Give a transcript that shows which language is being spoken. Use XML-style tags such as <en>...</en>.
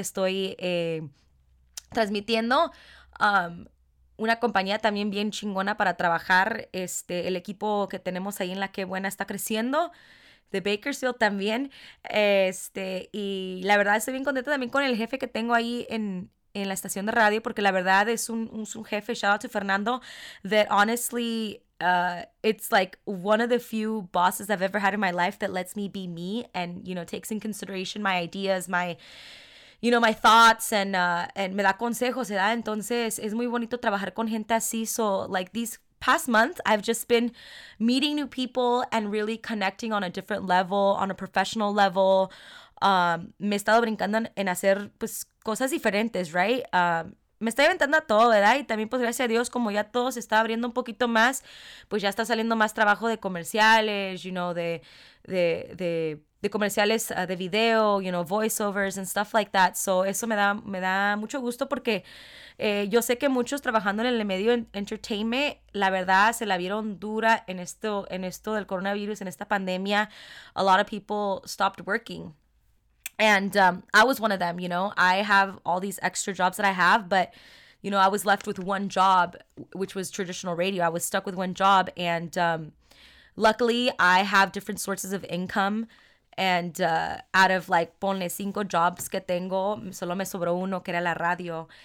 <es>Estoy transmitiendo una compañía también bien chingona para trabajar. El equipo que tenemos ahí en la Qué Buena está creciendo. De Bakersfield también. Y la verdad estoy bien contenta también con el jefe que tengo ahí en la estación de radio. Porque la verdad es un jefe,</es> <en>shout out to Fernando, that honestly, it's like one of the few bosses I've ever had in my life that lets me be me and, you know, takes in consideration my ideas, my, you know, my thoughts and</en> <es>me da consejos, ¿verdad? Entonces, es muy bonito trabajar con gente así.</es> <en>So, like, these past months, I've just been meeting new people and really connecting on a different level, on a professional level.</en> <es>Me he estado brincando en hacer, pues, cosas diferentes, right? Me estoy aventando a todo, ¿verdad? Y también, pues, gracias a Dios, como ya todo se está abriendo un poquito más, pues, ya está saliendo más trabajo de comerciales, you know, de comerciales de video, you know,</es> <en>voiceovers and stuff like that.</en> <es>So eso me da mucho gusto porque yo sé que muchos trabajando en el medio entertainment, la verdad, se la vieron dura en esto del coronavirus, en esta pandemia.</es> <en>A lot of people stopped working. And I was one of them, you know. I have all these extra jobs that I have, but, you know, I was left with one job, which was traditional radio. I was stuck with one job. And luckily, I have different sources of income. And out of, like,</en> <es>ponle cinco jobs que tengo, solo me sobró uno, que era la radio.</es>